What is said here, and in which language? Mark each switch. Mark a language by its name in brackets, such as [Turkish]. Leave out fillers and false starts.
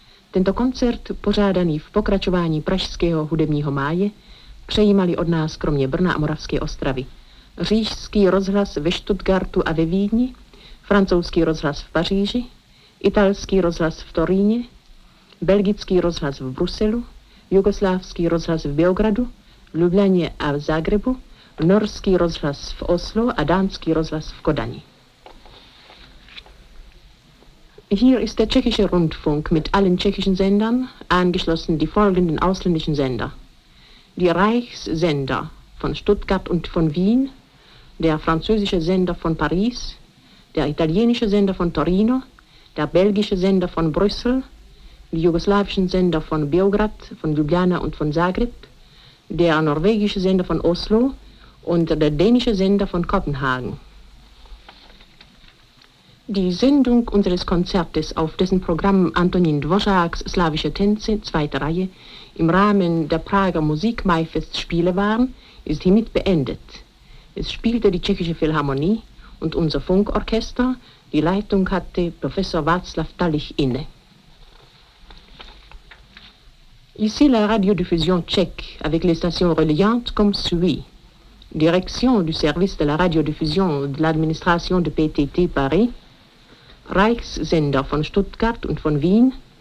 [Czech] Tento koncert, pořádaný v pokračování Pražského hudebního máje, přejímali od nás kromě Brna a Moravské Ostravy Říšský rozhlas ve Stuttgartu a ve Vídni, Francouzský rozhlas v Paříži, Italský rozhlas v Torině, Belgický rozhlas v Bruselu, Jugoslávský rozhlas v Beogradu, v Ljubljaně a v Zagrebu, Norský rozhlas v Oslu a Dánský rozhlas v Kodani. [German] Hier ist der tschechische Rundfunk mit allen tschechischen Sendern angeschlossen die folgenden ausländischen Sender. Die Reichssender von Stuttgart und von Wien, der französische Sender von Paris, der italienische Sender von Torino, der belgische Sender von Brüssel, die jugoslawischen Sender von Beograd, von Ljubljana und von Zagreb, der norwegische Sender von Oslo und der dänische Sender von Kopenhagen. Die Sendung unseres Konzertes, auf dessen Programm Antonín Dvořáks Slawische Tänze, zweite Reihe, im Rahmen der Prager Musikmaifestspiele waren, ist hiermit beendet. Es spielte die Tschechische Philharmonie und unser Funkorchester, die Leitung hatte Professor Václav Talich inne. [French] Ici la radiodiffusion tchèque avec les stations reliantes comme suit. Direction du service de la radiodiffusion de l'administration de PTT Paris. [German] Reichssender von Stuttgart und von Wien.